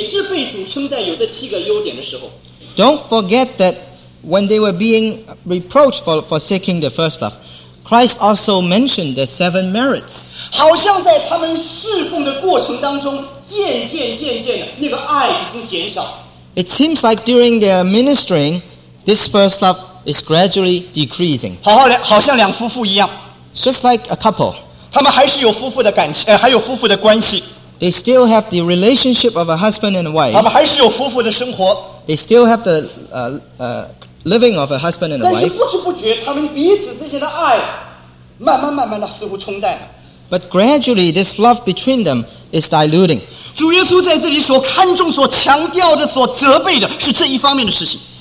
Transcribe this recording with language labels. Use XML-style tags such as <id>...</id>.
<zh>弟兄姊妹请注意,这里有一个非常严肃的一件事情,</zh> <en>don't forget that when they were being reproached for forsaking the first love, Christ also mentioned the seven merits.</en> <zh>好像在他们侍奉的过程当中,渐渐,那个爱已经减少。</zh> <en>It seems like during their ministering, this first love is gradually decreasing.</en> <zh>好像两夫妇一样。</zh> <en>Just like a couple.</en> <zh>他们还是有夫妇的感情,还有夫妇的关系。</zh> <en>They still have the relationship of a husband and wife.</en> <zh>他们还是有夫妇的生活。</zh> <en>They still have the living of a husband and a wife.</en> <zh>但是不知不觉,他们彼此之间的爱,慢慢地似乎冲淡了。</zh> <en>But gradually, this love between them is diluting.</en> <zh>主耶稣在这里所看重,所强调的,所责备的,是这一方面的事情。</zh>